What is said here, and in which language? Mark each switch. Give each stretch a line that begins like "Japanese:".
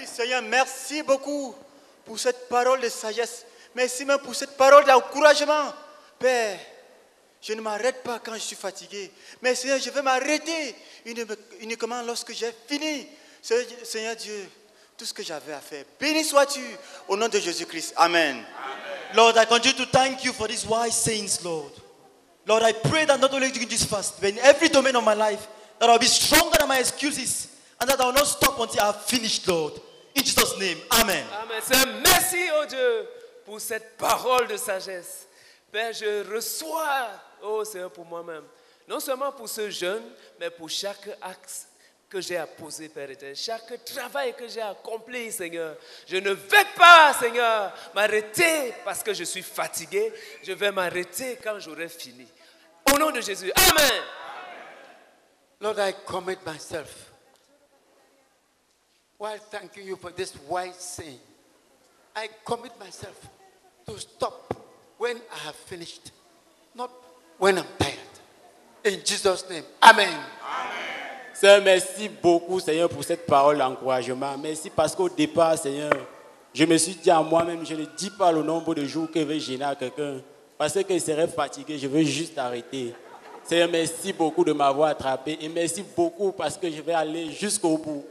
French: Oui, Seigneur, merci beaucoup pour cette parole de sagesse. Merci même pour cette parole d'encouragement. Père, je ne m'arrête pas quand je suis fatigué. Mais Seigneur, je vais m'arrêter uniquement lorsque j'ai fini. Seigneur Dieu, tout ce que j'avais à faire, béni sois-tu au nom de Jésus-Christ. Amen. Amen.
English: Lord, I continue to thank you for these wise sayings, Lord. Lord, I pray that not only during this fast, but in every domain of my life, that I'll be stronger than my excuses and that I will not stop until I have finished, Lord. In Jesus' name, amen. Amen.
French: Seigneur, merci, oh Dieu, pour cette parole de sagesse. Père, je reçois, oh Seigneur, pour moi-même, non seulement pour ce jeûne, mais pour chaque axe que j'ai à poser, Père éternel, chaque travail que j'ai accompli, Seigneur. Je ne vais pas, Seigneur, m'arrêter parce que je suis fatigué. Je vais m'arrêter quand j'aurai fini. Au nom de Jésus, amen.
English: Lord, I commit myself while thanking you for this wise saying. I commit myself to stop when I have finished, not when I'm tired. In Jesus' name, amen.
French: Seigneur, merci beaucoup, Seigneur, pour cette parole d'encouragement. Merci parce qu'au départ, Seigneur, je me suis dit à moi-même, je ne dis pas le nombre de jours que je vais gêner à quelqu'un parce qu'il serait fatigué, je veux juste arrêter. Seigneur, merci beaucoup de m'avoir attrapé et merci beaucoup parce que je vais aller jusqu'au bout.